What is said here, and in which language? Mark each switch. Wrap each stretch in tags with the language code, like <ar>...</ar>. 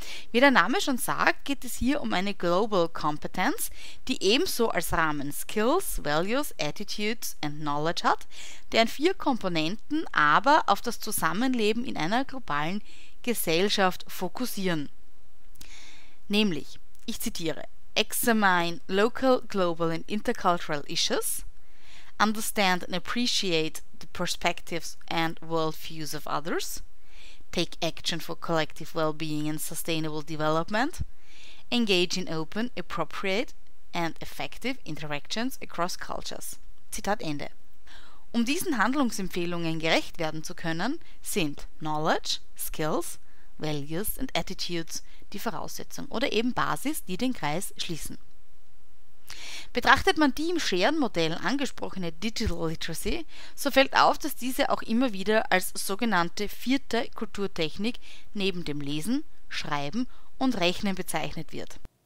<de>Wie der Name schon sagt, geht es hier um eine Global Competence, die ebenso als Rahmen</de> <en>Skills, Values, Attitudes and Knowledge</en> <de>hat, deren vier Komponenten aber auf das Zusammenleben in einer globalen Gesellschaft fokussieren. Nämlich, ich zitiere,</de> <en>examine local, global and intercultural issues, understand and appreciate the perspectives and worldviews of others, take action for collective well-being and sustainable development, engage in open, appropriate and effective interactions across cultures.</en> <de>Zitat Ende. Um diesen Handlungsempfehlungen gerecht werden zu können, sind</de> <en>Knowledge, Skills, Values and Attitudes</en> <de>die Voraussetzung oder eben Basis, die den Kreis schließen. Betrachtet man die im Scheren-Modell angesprochene Digital Literacy, so fällt auf, dass diese auch immer wieder als sogenannte vierte Kulturtechnik neben dem Lesen, Schreiben und Rechnen bezeichnet wird.</de>